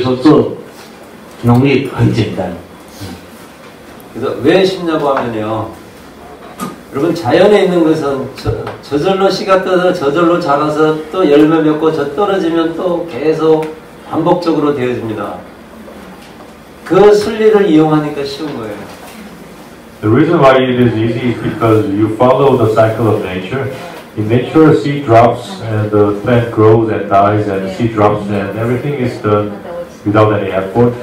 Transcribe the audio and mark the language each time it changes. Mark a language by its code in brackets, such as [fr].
[zh] 那各位或许就是从事农业或各种或是从别的地方，都认为说农业真的是很困难啊。那但是，李牧师他一路做了，就是遵循自然农业，他觉得说做农业很简单。 [ko] 그래서 왜 쉽냐고 하면요. 여러분 자연에 있는 것은 저절로 씨가 떠서 저절로 자라서 또 열매 맺고 저 떨어지면 또 계속 반복적으로 되어집니다. 그 순리를 이용하니까 쉬운 거예요. [en] The reason why it is easy is because you follow the cycle of nature. In nature, seed drops and the plant grows and dies and the seed drops and everything is done without any effort.